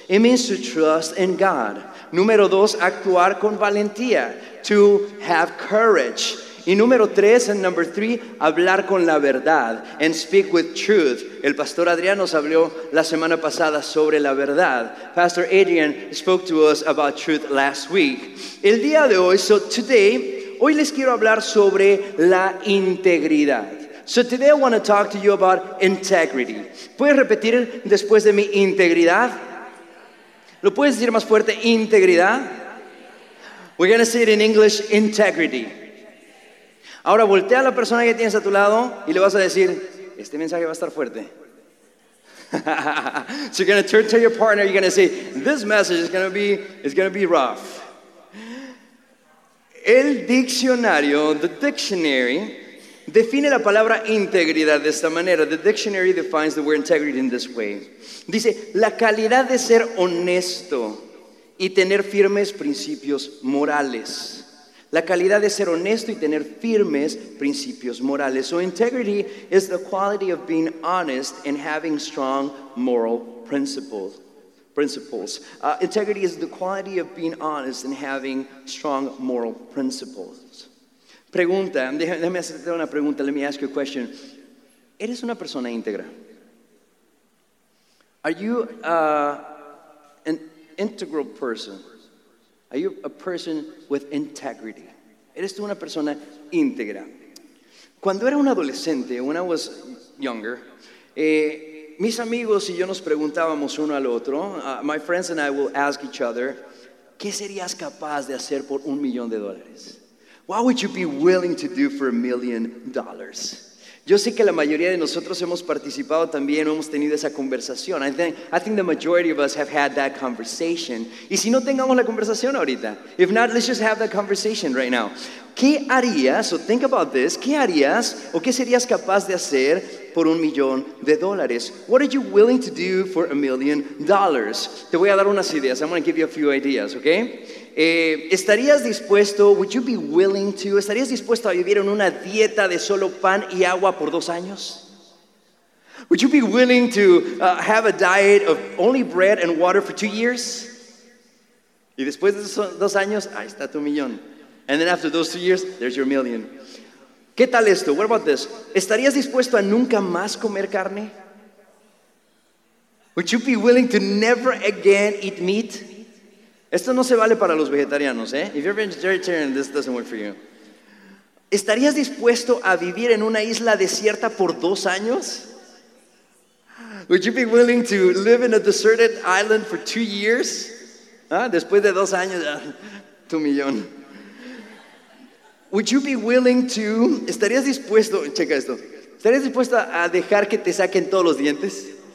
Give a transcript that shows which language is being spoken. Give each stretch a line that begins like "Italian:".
English: It means to trust in God.
Spanish: Número dos, actuar con valentía,
English: to have courage.
Spanish: Y número tres,
English: and number three,
Spanish: hablar con la verdad,
English: and speak with truth.
Spanish: El pastor Adrián nos habló la semana pasada sobre la verdad.
English: Pastor Adrian spoke to us about truth last week.
Spanish: El día de hoy,
English: so today,
Spanish: hoy les quiero hablar sobre la integridad.
English: So today I want to talk to you about integrity.
Spanish: ¿Puedes repetir después de mi integridad? ¿Lo puedes decir más fuerte? Integridad.
English: We're going to say it in English, integrity.
Spanish: Ahora voltea a la persona que tienes a tu lado y le vas a decir, este mensaje va a estar fuerte.
English: So you're going to turn to your partner, you're going to say, this message is going to be, it's going to be rough.
Spanish: El diccionario,
English: the dictionary,
Spanish: define la palabra integridad de esta manera.
English: The dictionary defines the word integrity in this way.
Spanish: Dice, la calidad de ser honesto y tener firmes principios morales. La calidad de ser honesto y tener firmes principios morales.
English: So integrity is the quality of being honest and having strong moral principles. Integrity is the quality of being honest and having strong moral principles.
Spanish: Pregunta, déjame hacerte una pregunta,
English: let me ask you a question.
Spanish: ¿Eres una persona íntegra?
English: Are you an integral person? Are you a person with integrity?
Spanish: ¿Eres tú una persona íntegra? Cuando era un adolescente,
English: when I was younger,
Spanish: mis amigos y yo nos preguntábamos uno al otro,
English: my friends and I will ask each other,
Spanish: ¿qué serías capaz de hacer por $1,000,000?
English: What would you be willing to do for $1,000,000?
Spanish: Yo sé que la mayoría de nosotros hemos participado también, hemos tenido esa conversación.
English: I think the majority of us have had that conversation.
Spanish: Y si no tengamos la conversación ahorita,
English: if not, let's just have that conversation right now.
Spanish: ¿Qué harías, o
English: think about this,
Spanish: qué harías o qué serías capaz de hacer por $1,000,000?
English: What are you willing to do for $1,000,000?
Spanish: Te voy a dar unas ideas.
English: I'm going to give you a few ideas,
Spanish: ¿ok? ¿Estarías dispuesto,
English: would you be willing to,
Spanish: estarías dispuesto a vivir en una dieta de solo pan y agua por 2 años?
English: Would you be willing to have a diet of only bread and water for 2 years?
Spanish: Y después de esos 2 años, ahí está tu millón.
English: And then after those 2 years, there's your million.
Spanish: ¿Qué tal esto?
English: What about this?
Spanish: ¿Estarías dispuesto a nunca más comer carne?
English: Would you be willing to never again eat meat?
Spanish: Esto no se vale para los vegetarianos, ¿eh?
English: If you're vegetarian, this doesn't work for you.
Spanish: ¿Estarías dispuesto a vivir en una isla desierta por 2 años?
English: Would you be willing to live in a deserted island for 2 years?
Spanish: ¿Ah? Después de 2 años, 2 millones.
English: Would you be willing to,
Spanish: ¿estarías dispuesto, checa esto, ¿estarías dispuesto a dejar que te saquen todos los dientes?